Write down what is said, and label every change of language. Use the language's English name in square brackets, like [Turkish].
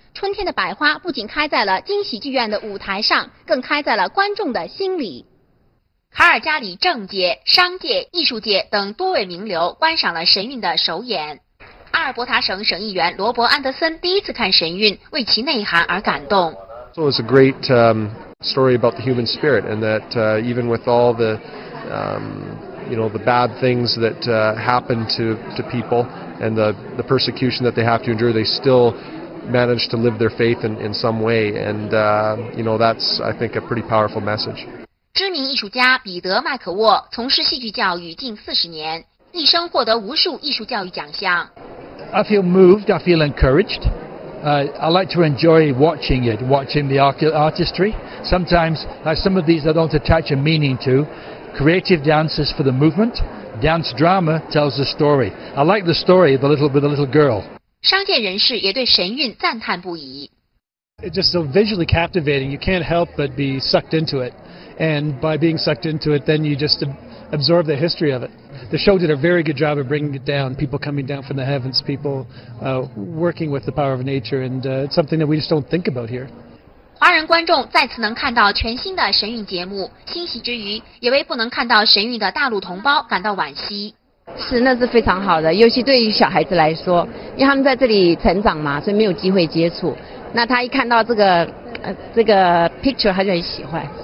[Chinese] 春天的百花不仅开在了金喜剧院的舞台上，更开在了观众的心里。卡尔加里政界、商界、艺术界等多位名流观赏了神韵的首演。阿尔伯塔省省议员罗伯·安德森第一次看神韵，为其内涵而感动。 [English] So it's a great story about the human spirit, and that even with all the the bad things that happen to people and the persecution that they have to endure, they still manage to live their faith in some way, and that's I think a pretty powerful message. [Chinese] 知名艺术家彼得·麦可沃从事戏剧教育近40年，一生获得无数艺术教育奖项。 [English] I feel moved, I feel encouraged. I like to enjoy watching it, watching the artistry. Sometimes, like some of these, I don't attach a meaning to. Creative dances for the movement, dance drama tells the story. I like the story of the little girl. [Chinese] 商界人士也对神韵赞叹不已。 [English] It's just so visually captivating. You can't help but be sucked into it. And by being sucked into it, then you just absorb the history of it. The show did a very good job of bringing it down, people coming down from the heavens, people working with the power of nature, and it's something that we just don't think about here. [Chinese] 华人观众再次能看到全新的神韵节目，欣喜之余，也为不能看到神韵的大陆同胞感到惋惜。是，那是非常好的，尤其对于小孩子来说，因为他们在这里成长嘛，所以没有机会接触。那他一看到这个 picture 他就很喜欢，